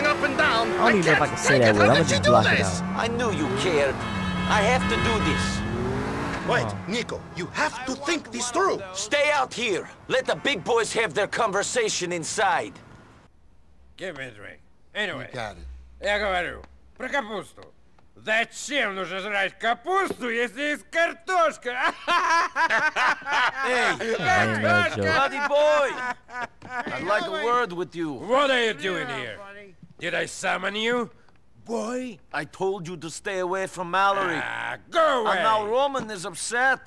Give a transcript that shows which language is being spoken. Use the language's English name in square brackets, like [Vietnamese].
[English] Going up and down. I don't even know if I can say that word. I'm gonna just block this? It out. I knew you cared. I have to do this. Wait, Niko, you have to think this through. Stay out here. Let the big boys have their conversation inside. Give me a drink. Anyway. You got it. [Russian] Я говорю про капусту. Зачем нужно жрать капусту, если есть картошка? [English] Buddy boy, I'd like a word with you. What are you doing here? Did I summon you? Boy, I told you to stay away from Mallory. Go away! And now Roman is upset.